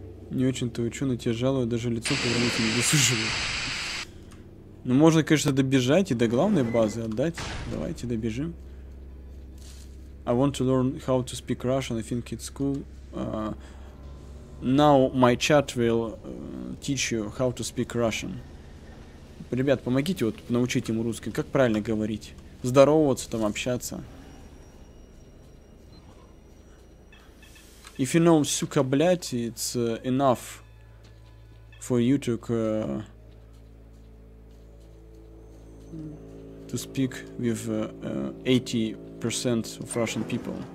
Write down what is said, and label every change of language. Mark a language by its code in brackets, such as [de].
[ru] Не очень-то ученый, тебя жалую, даже лицо повернуть не заслуживаю. Ну, можно, конечно, добежать и до главной базы отдать. Давайте добежим. [en] I want to learn how to speak Russian. I think it's cool. Now my chat will teach you how to speak Russian. [ru] Ребят, помогите вот научить ему русский. Как правильно говорить? Здороваться там, общаться. [en] If you know, [ru] сука, блять, [en] it's enough for you to speak with 80% of Russian people.